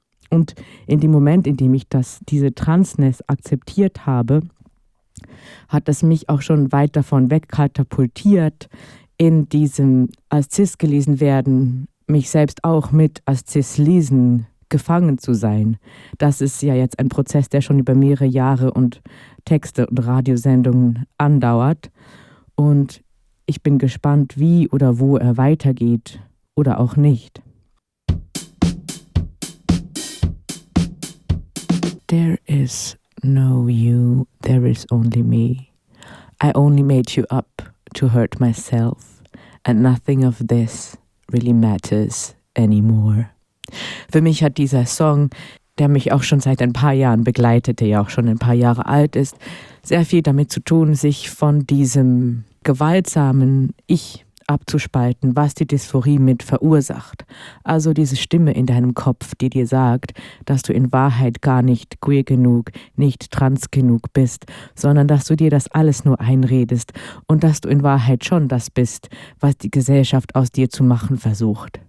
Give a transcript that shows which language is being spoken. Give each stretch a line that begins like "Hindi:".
German: Und in dem Moment, in dem ich diese Transness akzeptiert habe, hat es mich auch schon weit davon wegkatapultiert, in diesem als Cis gelesen werden, mich selbst auch mit als Cis lesen gefangen zu sein. Das ist ja jetzt ein Prozess, der schon über mehrere Jahre und Texte und Radiosendungen andauert. Und ich bin gespannt, wie oder wo er weitergeht oder auch nicht.
English: There is no you, there is only me. I only made you up to hurt myself, and nothing of this really matters anymore.
German: Für mich hat dieser Song, der mich auch schon seit ein paar Jahren begleitet, der ja auch schon ein paar Jahre alt ist, sehr viel damit zu tun, sich von diesem gewaltsamen Ich abzuspalten, was die Dysphorie mit verursacht. Also diese Stimme in deinem Kopf, die dir sagt, dass du in Wahrheit gar nicht queer genug, nicht trans genug bist, sondern dass du dir das alles nur einredest und dass du in Wahrheit schon das bist, was die Gesellschaft aus dir zu machen versucht.